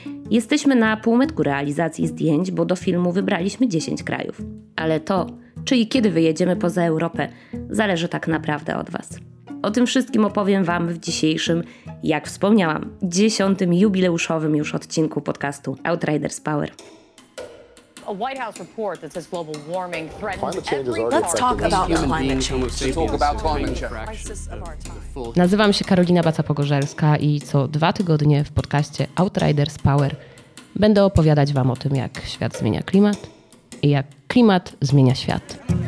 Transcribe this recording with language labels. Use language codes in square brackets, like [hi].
[pl] Jesteśmy na półmetku realizacji zdjęć, bo do filmu wybraliśmy 10 krajów. Ale to, czy i kiedy wyjedziemy poza Europę, zależy tak naprawdę od Was. O tym wszystkim opowiem Wam w dzisiejszym, jak wspomniałam, 10 jubileuszowym już odcinku podcastu Outriders Power. [en] A White House report that says global warming threatens everything. Let's talk about climate change. [pl] Nazywam się Karolina Baca-Pogorzelska i co dwa tygodnie w podcaście Outriders Power będę opowiadać Wam o tym, jak świat zmienia klimat i jak klimat zmienia świat.